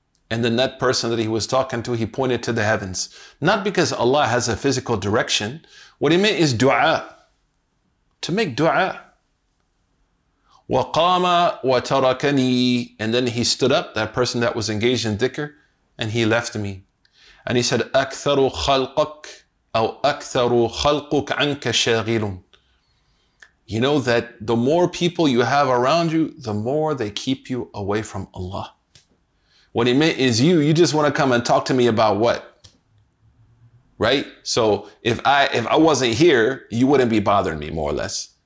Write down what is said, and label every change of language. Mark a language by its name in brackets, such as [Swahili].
[English] And then that person that he was talking to, he pointed to the heavens. Not because Allah has a physical direction. What he meant is dua. To make dua. [Arabic] وَقَامَ وَتَرَكَنِي. [English] And then he stood up, that person that was engaged in dhikr, and he left me. And he said, [Arabic] أَكْثَرُ خَلْقَكَ أَوْ أَكْثَرُ خَلْقُكَ عَنْكَ شَغِيلٌ. [English] You know that the more people you have around you, the more they keep you away from Allah. What he meant is you just want to come and talk to me about what? Right? So if I wasn't here, you wouldn't be bothering me, more or less.